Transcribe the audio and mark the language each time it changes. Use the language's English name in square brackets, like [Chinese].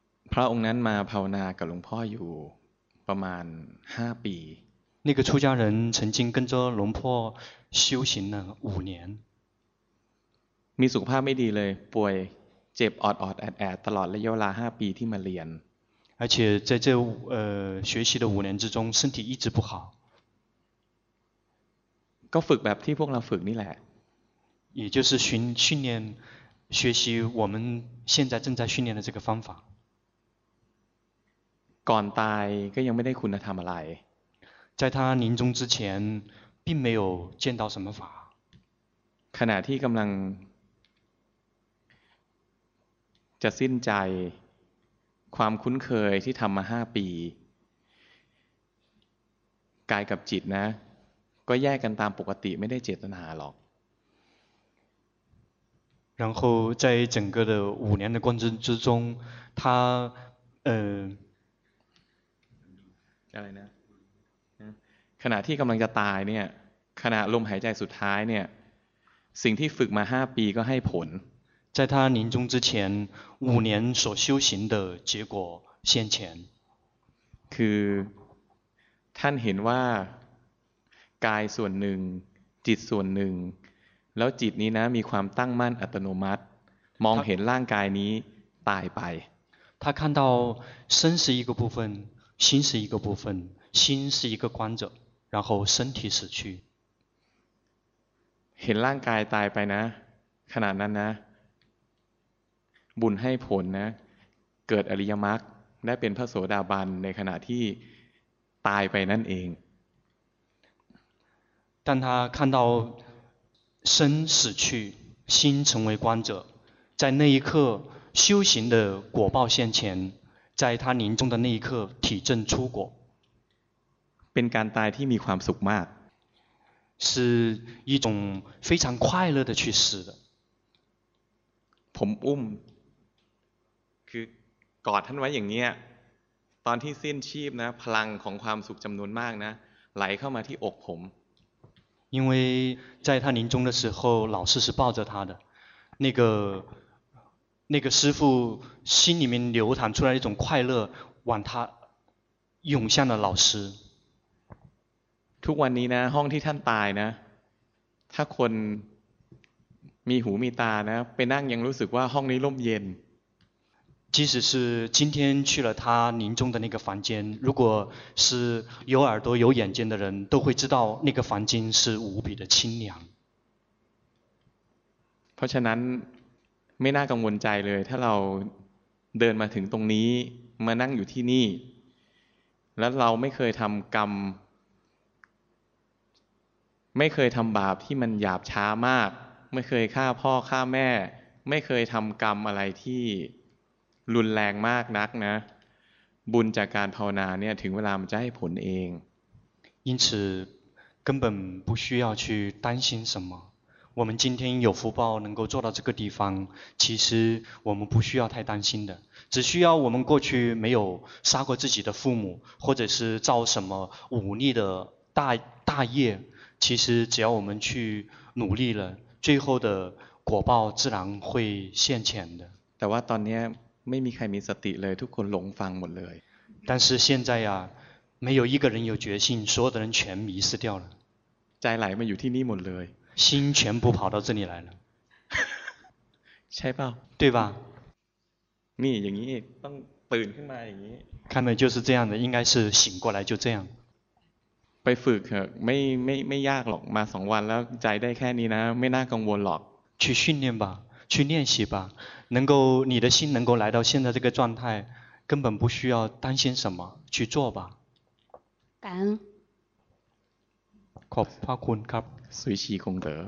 [Thai] พระองค์นั้นมาภาวนากับหลวงพ่ออยู่ประมาณ5ปี [Chinese] 那个出家人曾经跟着龙婆修行了五年。 [Thai] มีสุขภาพไม่ดีเลยป่วยเจ็บออดออดแอดแอดตลอดระยะเวลา5ปีที่มาเรียน [Chinese] 而且在这学习的五年之中身体一直不好。 [Thai] ก็ฝึกแบบที่พวกเราฝึกนี่แหละ [Chinese] 也就是训练学习我们现在正在训练的这个方法。 [Thai] ก่อนตายก็ยังไม่ได้คุณธรรมอะไร [Chinese] 在他临终之前并没有见到什么法 [Thai] ขณะที่กำลังจะสิ้นใจความคุ้นเคยที่ทำมา5ปีกายกับจิตนะก็แยกกันตามปกติไม่ได้เจตนาหรอก [Chinese] 然后在整个的五年的过程之中他 [Thai] อะไรนะขณะที่กำลังจะตายเนี่ยขณะลมหายใจสุดท้ายเนี่ยสิ่งที่ฝึกมา5ปีก็ให้ผล [Chinese] 在他临终之前五年所修行的结果现前 [Thai] คือท่านเห็นว่ากายส่วนหนึ่งจิตส่วนหนึ่งแล้วจิตนี้นะมีความตั้งมั่นอัตโนมัติมองเห็นร่างกายนี้ตายไป [Chinese] 他看到身是一个部分心是一个部分心是一个观者然后身体死去 [Thai] เห็นร่างกายตายไปนะขนาดนั้นนะบุญให้ผลนะเกิดอริยมรรคได้เป็นพระโสดาบันในขณะที่ตายไปนั่นเอง [Chinese] 当他看到身死去心成为观者在那一刻修行的果报现前在他临终的那一刻体证出果 [Thai] เป็นการตายที่มีความสุขมาก [Chinese] 是一种非常快乐的去死的 [Thai] ผมอุ้มคือกอดท่านไว้อย่างเงี้ยตอนที่สิ้นชีพนะพลังของความสุขจำนวนมากนะไหลเข้ามาที่อกผม [Chinese] 因为在他临终的时候老师是抱着他的那个师父心里面流淌出来一种快乐往他涌向了老师 [Thai] ทุกวันนี้นะห้องที่ท่านตายนะถ้าคนมีหูมีตานะไปนั่งยังรู้สึกว่าห้องนี้ร่มเย็น [Chinese] 即使是今天去了他临终的那个房间如果是有耳朵有眼睛的人都会知道那个房间是无比的清凉 [Thai] เพราะฉะนั้นไม่น่ากังวลใจเลยถ้าเราเดินมาถึงตรงนี้มานั่งอยู่ที่นี่แล้วเราไม่เคยทำกรรมไม่เคยทำบาปที่มันหยาบช้ามากไม่เคยฆ่าพ่อฆ่าแม่ไม่เคยทำกรรมอะไรที่รุนแรงมากนักนะบุญจากการภาวนาเนี่ยถึงเวลามันจะให้ผลเอง [Chinese] 因此根本不需要去担心什么我们今天有福报能够坐到这个地方其实我们不需要太担心的只需要我们过去没有杀过自己的父母或者是造什么忤逆的大业其实只要我们去努力了最后的果报自然会现前的 [Thai] แต่ว่าตอนนี้ไม่มีใครมีสติเลยทุกคนหลงฟังหมดเลย [Chinese] 但是现在呀没有一个人有决心所有的人全迷失掉了 [Thai] ใจไหลมาอยู่ที่นี่หมดเลย [Chinese] 心全部跑到这里来了 [Thai] ใช่เปล่า [Chinese] 对吧 [Thai] นี่อย่างนี้ต้องตื่นขึ้นมาอย่างนี้ [Chinese] 看来就是这样的应该是醒过来就这样 [Thai] ไปฝึกเถอะไม่ยากหรอกมาสองวันแล้วใจได้แค่นี้นะไม่น่ากังวลหรอก [Chinese] 去训练吧去练习吧能够你的心能够来到现在这个状态根本不需要担心什么去做吧感恩 [Thai] ขอบพระคุณครับ [Chinese] สุยชีคงเด